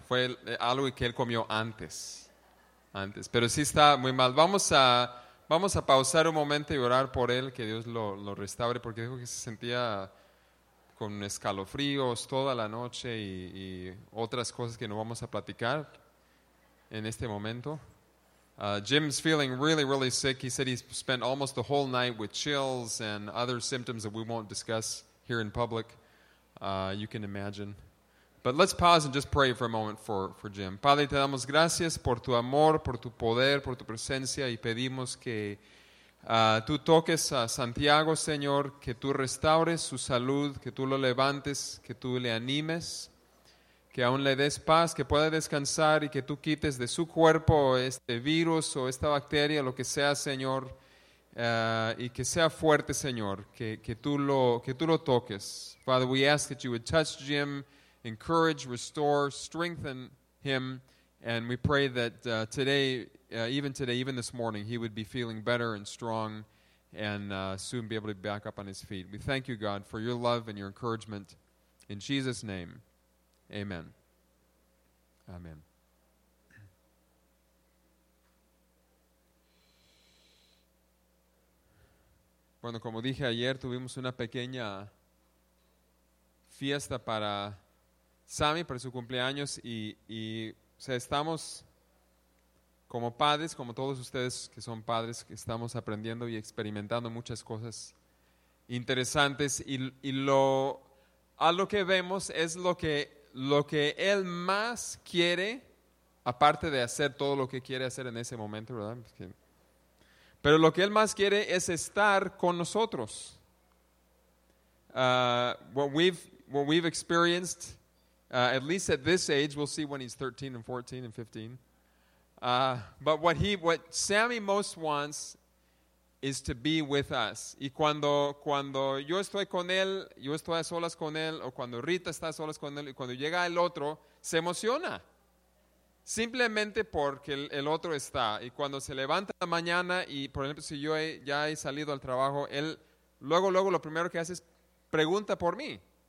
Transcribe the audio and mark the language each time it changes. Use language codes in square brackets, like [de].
[es] Fue algo que él comió antes, pero sí está muy mal. Vamos a pausar un momento y orar por él, que Dios lo restaure, porque dijo que se sentía con escalofríos toda la noche y otras cosas que no vamos a platicar en este momento. [en] Jim's feeling really, really sick. He said he spent almost the whole night with chills and other symptoms that we won't discuss here in public. You can imagine. But let's pause and just pray for a moment for Jim. [es] Padre, te damos gracias por tu amor, por tu poder, por tu presencia, y pedimos que tú toques a Santiago, Señor, que tú restaures su salud, que tú lo levantes, que tú le animes, que aún le des paz, que pueda descansar y que tú quites de su cuerpo este virus o esta bacteria, lo que sea, Señor, y que sea fuerte, Señor, que tú lo toques. [en] Father, we ask that you would touch Jim, encourage, restore, strengthen him, and we pray that even this morning, he would be feeling better and strong and soon be able to be back up on his feet. We thank you, God, for your love and your encouragement. In Jesus' name, amen. Amen. [es] Bueno, como dije ayer, tuvimos una pequeña fiesta para Sammy, para su cumpleaños, y estamos como padres, como todos ustedes que son padres, que estamos aprendiendo y experimentando muchas cosas interesantes, y lo que vemos es lo que él más quiere, aparte de hacer todo lo que quiere hacer en ese momento, ¿verdad? Pero lo que él más quiere es estar con nosotros. [en] What we've experienced, at least at this age, we'll see when he's 13 and 14 and 15. But what Sammy most wants is to be with us. [es] Y cuando yo estoy con él, yo estoy a solas con él, o cuando Rita está a solas con él, y cuando llega el otro, se emociona. Simplemente porque el otro está. Y cuando se levanta la mañana y, por ejemplo, si yo ya he salido al trabajo, él luego lo primero que hace es pregunta por mí.